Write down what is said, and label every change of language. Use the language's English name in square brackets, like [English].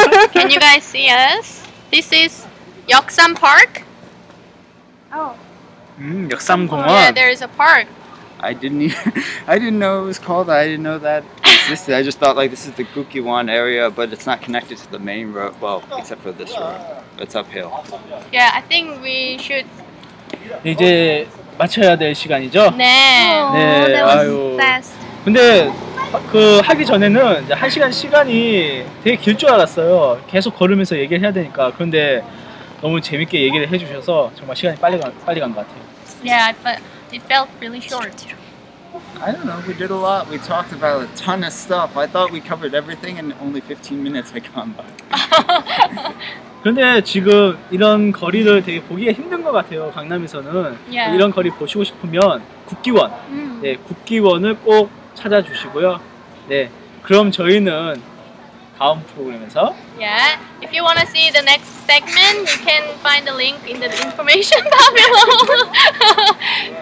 [English] Can you guys see us? This is Yeoksam Park. Oh. Yeoksam Gongwon. Yeah, there is a park. I didn't know it was called that. I didn't know that existed. I just thought like this is the Gukiwon area, but it's not connected to the main road. Well, except for this road. It's uphill. Yeah, I think we should. [Korean] 이제 마쳐야 될 시간이죠? 네. 네. [English] That was fast. [Korean] 근데 그 하기 전에는 이제 한 시간 시간이 되게 길 줄 알았어요. 계속 걸으면서 얘기를 해야 되니까. 그런데 너무 재밌게 얘기를 해주셔서 정말 시간이 빨리 간 것 같아요. [English] Yeah, but it felt really short. I don't know. We did a lot. We talked about a ton of stuff. I thought we covered everything and only 15 minutes had gone by. [Korean] 근데 지금 이런 거리를 되게 보기가 힘든 것 같아요. 강남에서는 [English] yeah. [Korean] 이런 거리 보시고 싶으면 국기원, 네 국기원을 꼭 찾아주시고요. 네, 그럼 저희는 다음 프로그램에서. [English] Yeah, if you want to see the next segment, you can find the link in the information down below.